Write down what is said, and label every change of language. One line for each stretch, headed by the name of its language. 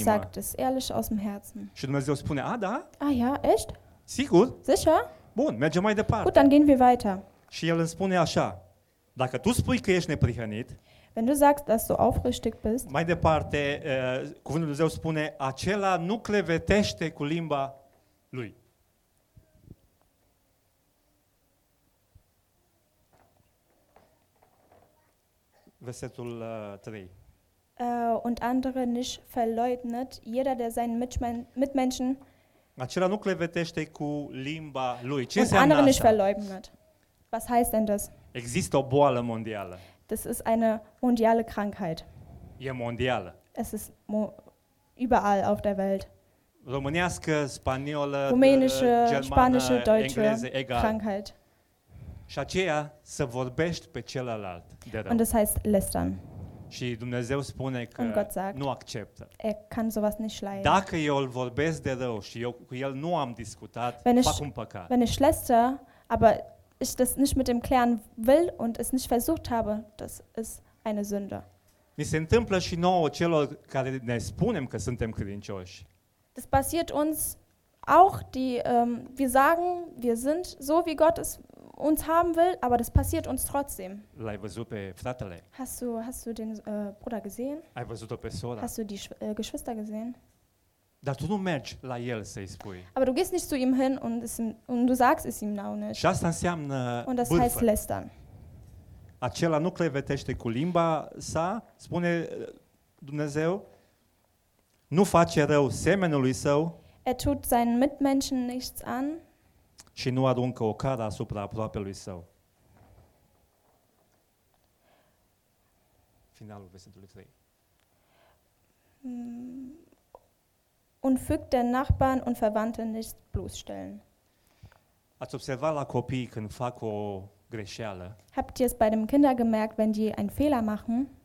German: Ich sag das ehrlich aus dem Herzen.
Romanian: Și Dumnezeu spune, a, da?
German: Ah, ja, echt?
Romanian: Sigur?
German: Sicher?
Romanian: Bun, mergem mai departe.
German: Gut, dann gehen wir weiter.
Romanian: Și el îmi spune așa, dacă tu spui că ești neprihănit,
German: wenn du sagst, dass du aufrichtig bist,
Romanian: mai departe, cuvântul Dumnezeu spune, acela nu clevetește cu limba lui. Versetul 3.
German: Und andere nicht verleugnet, jeder, der seinen Mitmenschen,
Romanian: acela nu clevetește cu limba lui. Ce înseamnă
German: andere nicht verleugnet. Was heißt denn das?
Romanian: Există o boală mondială.
German: Das ist eine mondiale Krankheit.
Romanian: E mondială.
German: Es ist überall auf der Welt.
Romanian: Românească, spaniolă,
German: rumänische,
Romanian: germană,
German: spanische, deutsche
Romanian: engleze, egal.
German: Krankheit.
Romanian: Și aceea, să vorbești pe celălalt de rău.
German: Und das heißt lästern.
Romanian: Și Dumnezeu spune că nu acceptă.
German: Er kann sowas nicht leiden.
Romanian: Dacă eu îl vorbesc de rău și eu cu el nu am discutat, fac un păcat.
German: Wenn ich schlechte, aber ich das nicht mit dem klären will und es nicht versucht habe, das ist eine Sünde.
Romanian: Ni se întâmplă și nouă celor care ne spunem că suntem credincioși.
German: Das passiert uns auch, die wir sagen, wir sind so wie Gott es uns haben will, aber das passiert uns trotzdem.
Romanian: L-ai văzut pe fratele?
German: Hast du den Bruder gesehen?
Romanian: Ai văzut-o pe sora?
German: Hast du die Geschwister gesehen?
Romanian: Dar tu nu mergi la el să-i spui.
German: Aber du gehst nicht zu ihm hin und es und du sagst es ihm auch nicht.
Romanian: Și asta înseamnă
German: und das heißt lästern.
Romanian: Acela nu clevetește cu limba sa, spune Dumnezeu, nu face rău semenului său.
German: Er tut seinen Mitmenschen nichts an.
Romanian: Și nu aruncă o cară asupra aproapelui său. Finalul versetului 3.
German: Und fügt den Nachbarn und Verwandten nicht bloßstellen.
Romanian: Ați observat la copii când fac o greșeală?
German: Habt ihr es bei dem Kinder gemerkt, wenn die einen Fehler machen?